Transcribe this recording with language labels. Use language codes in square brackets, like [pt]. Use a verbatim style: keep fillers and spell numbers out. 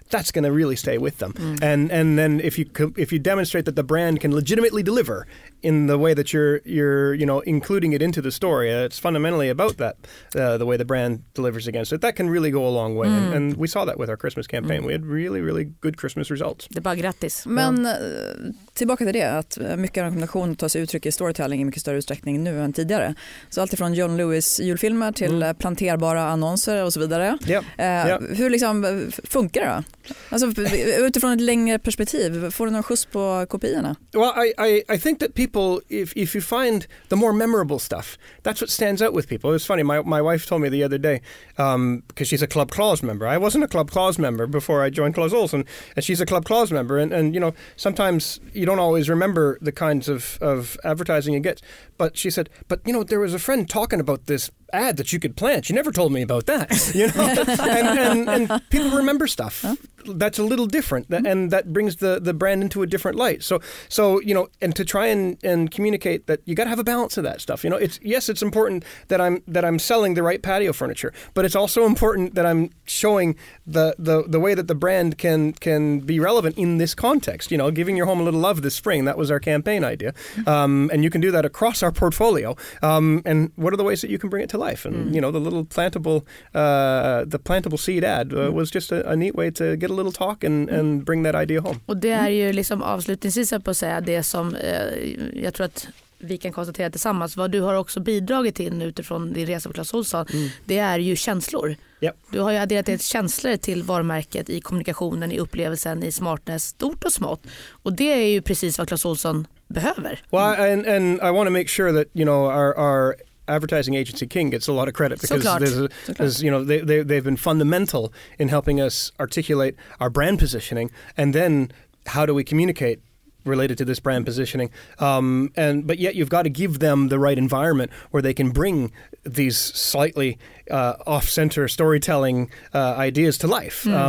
[en] that's going to really stay with them. Mm. And and then if you if you demonstrate that the brand can legitimately deliver in the way that you're you're you know including it into the story, uh, it's fundamentally about that uh, the way the brand delivers against it. That can really go a long way. Mm. And, and we saw that with our Christmas campaign. Mm. We had really really good Christmas results. [sv] Det är bara grattis. Men tillbaka till det att mycket rekommendation tar sig uttryck i storytelling i mycket större utsträckning nu än tidigare. Så allt ifrån John Lewis julfilmer till mm. planterbara annonser och så vidare. [en] Yep. Eh, yep. [sv] Hur liksom funkar det då? Alltså utifrån ett längre perspektiv, får du någon skjuts på kopiorna? [en] Well, I I I think that people people, if, if you find the more memorable stuff, that's what stands out with people. It's funny, my, my wife told me the other day, because um, she's a Club Claws member. I wasn't a Club Claws member before I joined Claes Olsson, and she's a Club Claws member. And, and, you know, sometimes you don't always remember the kinds of, of advertising you get. But she said, but, you know, there was a friend talking about this ad that you could plant. You never told me about that. You know, and, and, and people remember stuff. Huh? That's a little different, and that brings the, the brand into a different light. So, so you know, and to try and, and communicate that you got to have a balance of that stuff. You know, it's yes, it's important that I'm that I'm selling the right patio furniture, but it's also important that I'm showing the, the, the way that the brand can can be relevant in this context. You know, giving your home a little love this spring. That was our campaign idea, um, and you can do that across our portfolio. Um, and what are the ways that you can bring it to life? And mm. you know, the little plantable uh, the plantable seed ad uh, was just a, a neat way to get a little talk and, and bring that idea home. [sv] Och det är ju liksom avslutningsvis på att säga det som eh, jag tror att vi kan konstatera tillsammans, vad du har också bidragit till utifrån din resa på Claes Olsson, mm. det är ju känslor. [en] Yep. [sv] Du har ju adderat ett känslor till varumärket i kommunikationen, i upplevelsen, i smartness, stort och smått. Och det är ju precis vad Claes Olsson behöver. [en] Well, and, and I want to make sure that, you know, our, our advertising agency King gets a lot of credit because there's a, there's, you know, they, they, they've been fundamental in helping us articulate our brand positioning, and then how do we communicate related to this brand positioning, um, and but yet you've got to give them the right environment where they can bring these slightly uh, off-center storytelling uh, ideas to life, mm-hmm.